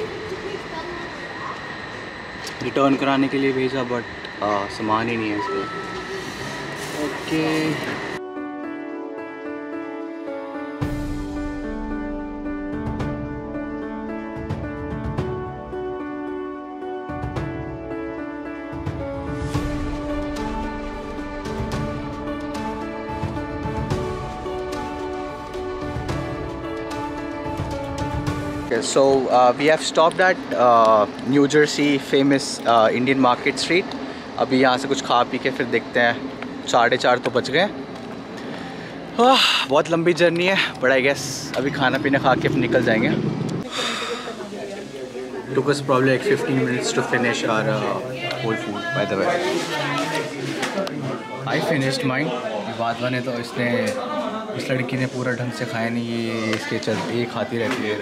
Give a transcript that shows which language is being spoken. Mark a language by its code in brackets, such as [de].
[hi] Return कराने के लिए भेजा बट सामान ही नहीं है इसमें। [en] Okay, so we have stopped at New Jersey famous Indian Market Street. [hi] अभी यहाँ से कुछ खा पी के फिर देखते हैं, 4:30 तो बच गए। वाह, बहुत लंबी जर्नी है, [en] but I guess [hi] अभी खाना पीना खा के फिर निकल जाएंगे। [en] Took us probably like 15 minutes to finish our whole food, by the way. I finished mine. [hi] बाद में तो इसने, इस लड़की ने पूरा ढंग से खाया नहीं, ये इसके चलते ये खाती रहती है।